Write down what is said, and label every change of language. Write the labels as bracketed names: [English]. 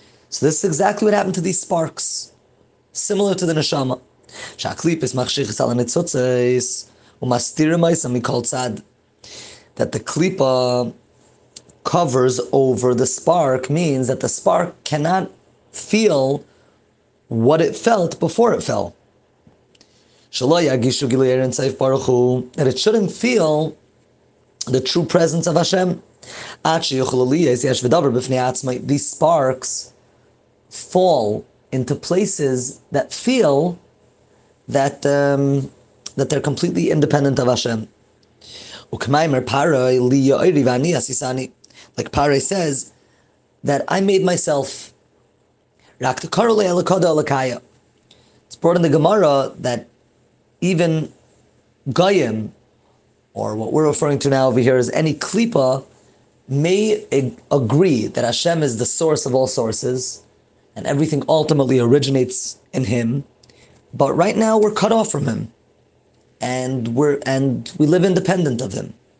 [English] So this is exactly what happened to these sparks, similar to the neshama. [Hebrew] שהקליפות מחשיכות על הנצוצות ומסתירים אותם מכל צד. [English] That the klipa covers over the spark means that the spark cannot feel what it felt before it fell. [Hebrew] שלא ירגישו גילוי אינסוף ברוך הוא, [English] that it shouldn't feel the true presence of Hashem. [Hebrew] עד שיוכלו להיות יש ודבר בפני עצמם. [English] These sparks fall into places that feel that that they're completely independent of Hashem. [Hebrew] וכמאמ פרעה ליאורי ואני עשיתיני. [English] Like Pare says, that I made myself. [Hebrew] רק דקרו להלכות הלכיה. [English] It's brought in the Gemara that even Goyim, or what we're referring to now over here as any klipa, may agree that Hashem is the source of all sources, and everything ultimately originates in Him, but right now we're cut off from Him, and we live independent of Him.